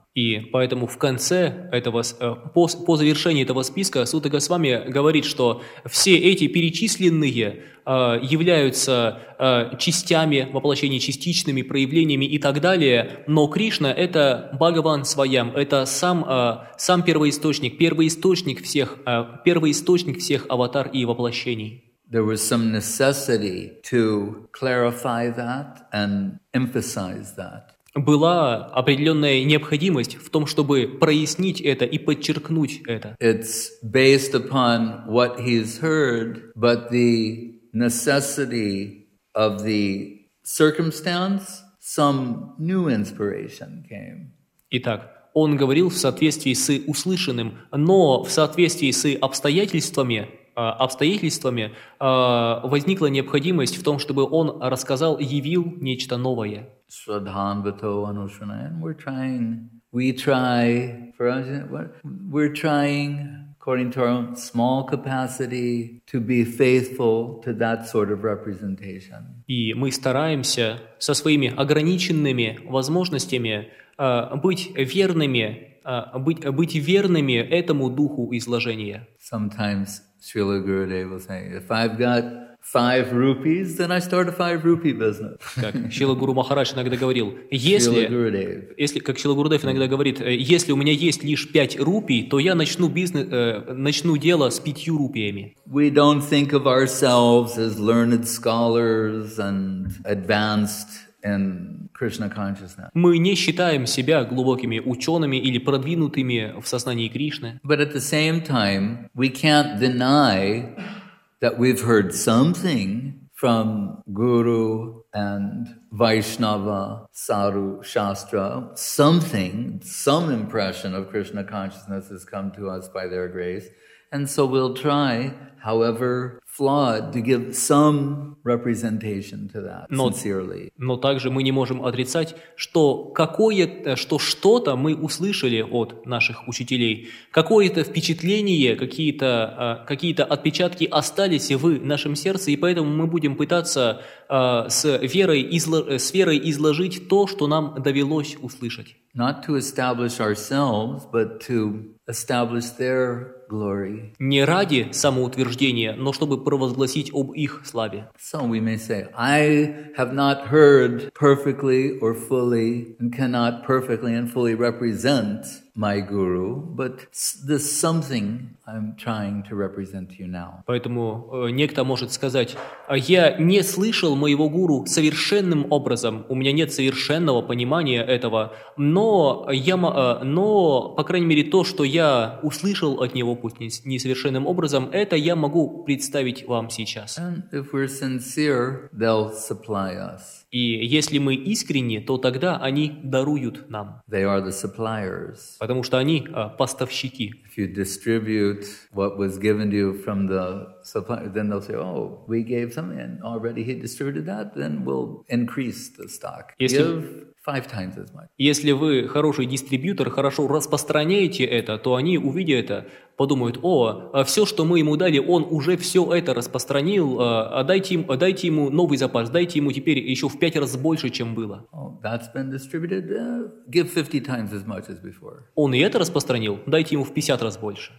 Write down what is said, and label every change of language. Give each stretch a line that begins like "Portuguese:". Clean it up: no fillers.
Russian: И поэтому в конце этого, по завершении этого списка, Сута Госвами говорит, что все эти перечисленные являются частями, воплощения частичными проявлениями и так далее, но Кришна – это Бхагаван Свайам, это сам первоисточник, первоисточник всех аватар и воплощений.
English: There was some necessity to clarify that and emphasize that.
Russian: Была определенная необходимость в том, чтобы прояснить это и подчеркнуть это.
English: It's based upon what he's heard, but the necessity of the circumstance, some new inspiration came.
Russian: Итак, он говорил в соответствии с услышанным, но в соответствии с обстоятельствами возникла необходимость в том, чтобы он рассказал, явил нечто новое.
Sanskrit: Shradhanvato Anushranayan,
English: we're trying, according to our own small capacity, to be faithful to that sort of representation.
Russian: И мы стараемся со своими ограниченными возможностями быть верными этому духу изложения.
English: Sometimes Srila Gurudev will say, if I've got 5 rupees, then I start a 5-rupee business.
Russian: Как Шрила Гуру Махарадж иногда говорил, если у меня есть лишь 5 рупий, то я начну бизнес, начну дело с 5 рупиями.
English: We don't think of ourselves as learned scholars and advanced in Krishna consciousness.
Russian: Мы не считаем себя глубокими учеными или продвинутыми в сознании Кришны.
English: But at the same time, we can't deny that we've heard something from Guru and Vaishnava, Saru, Shastra, something, some impression of Krishna consciousness has come to us by their grace. And so we'll try, however flawed, to give some representation to that, sincerely.
Russian: Но также мы не можем отрицать, что какое-то, что что-то мы услышали от наших учителей, какое-то впечатление, какие-то отпечатки остались в нашем сердце, и поэтому мы будем пытаться с верой изложить то, что нам довелось услышать.
English: Not to establish ourselves, but to establish their glory.
Russian: Не ради самоутверждения, но чтобы провозгласить об их славе.
English: So we may say, I have not heard perfectly or fully, and cannot perfectly and fully represent my guru, but this something I'm trying to represent you now.
Russian: Поэтому некто может сказать: я не слышал моего гуру совершенным образом. У меня нет совершенного понимания этого. Но по крайней мере то, что я услышал от него, пусть не совершенным образом, это я могу представить вам сейчас.
English: And if we're sincere, they'll supply us.
Russian: И если мы искренни, то тогда они даруют нам.
English: They are the suppliers.
Russian: Потому что они поставщики.
English: If you distribute what was given to you from the supplier, then they'll say, oh, we gave something and already he distributed that, then we'll increase the stock. Five times as much.
Russian: Если вы хороший дистрибьютор, хорошо распространяете это, то они, увидя это, подумают: о, все, что мы ему дали, он уже все это распространил, дайте ему новый запас, дайте ему теперь еще в пять раз больше, чем было.
English: Oh, that's been distributed. Give 50 times as much as before.
Russian: Он и это распространил, дайте ему в 50 раз больше.